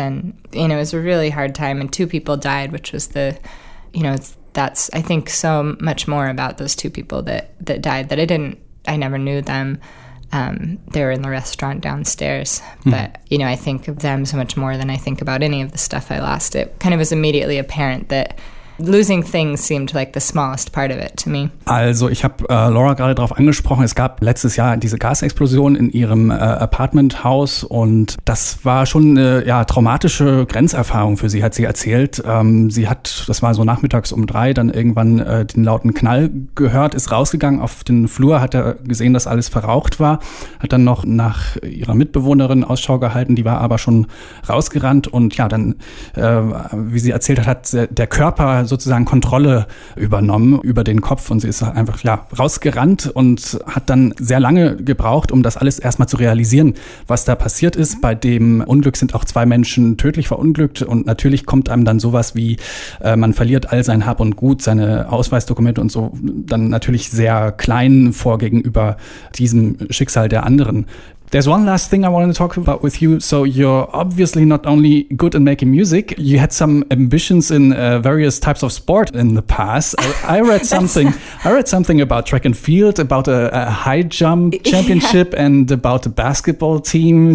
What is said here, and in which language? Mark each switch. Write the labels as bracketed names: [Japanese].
[English] And, you know, it was a really hard time. And two people died, which was the, you know, that's, I think, so much more about those two people that died that I never knew them. They were in the restaurant downstairs. Mm. But, you know, I think of them so much more than I think about any of the stuff I lost. It kind of was immediately apparent that losing things seemed like the smallest part of it to me. [German] Also, ich habe Laura gerade darauf angesprochen, es gab letztes Jahr diese Gasexplosion in ihrem Apartmenthaus, und das war schon eine traumatische Grenzerfahrung für sie, hat sie erzählt. Sie hat, das war so nachmittags um 3, dann irgendwann den lauten Knall gehört, ist rausgegangen auf den Flur, hat er gesehen, dass alles verraucht war, hat dann noch nach ihrer Mitbewohnerin Ausschau gehalten, die war aber schon rausgerannt, und ja, dann, wie sie erzählt hat, hat der Körper sozusagen Kontrolle übernommen über den Kopf, und sie ist einfach rausgerannt und hat dann sehr lange gebraucht, um das alles erstmal zu realisieren, was da passiert ist. Bei dem Unglück sind auch zwei Menschen tödlich verunglückt, und natürlich kommt einem dann sowas wie, man verliert all sein Hab und Gut, seine Ausweisdokumente und so, dann natürlich sehr klein vor gegenüber diesem Schicksal der anderen. [English] There's one last thing I wanted to talk about with you. So you're obviously not only good at making music, you had some ambitions in various types of sport in the past. I read something about track and field, about a high jump championship yeah. and about a basketball team.